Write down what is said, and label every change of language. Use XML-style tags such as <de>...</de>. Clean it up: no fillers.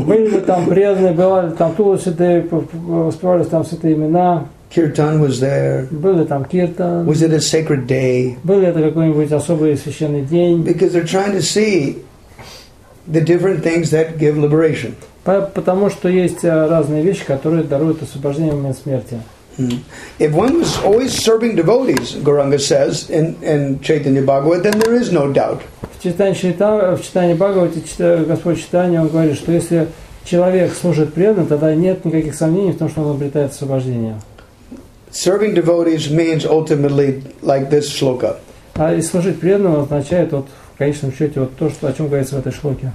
<ru>Были ли там преданные? Была ли там Тулси? Воспевались там святые имена?</ru> <en>Kirtan was there.</en> <ru>Был ли там Kirtan?</ru> <en>Was it a sacred day?</en> <ru>Был ли это какой-нибудь особый священный день?</ru> <en>Because they're trying to see the different things that give liberation.</en> <ru>Потому что есть разные вещи, которые даруют освобождение в момент смерти.</ru> <en>If one was always serving devotees, Gauranga says in Chaitanya Bhagavata, then there is no doubt.</en> <ru>В Читании Бхагавате, Господь Читания, он говорит, что если человек служит преданно, тогда нет никаких сомнений в том, что он обретает освобождение.</ru> <en>Serving devotees means ultimately like this shloka.</en> <ru>А служить преданному означает вот в конечном счете вот то, что о чем говорится в этой шлоке.</ru>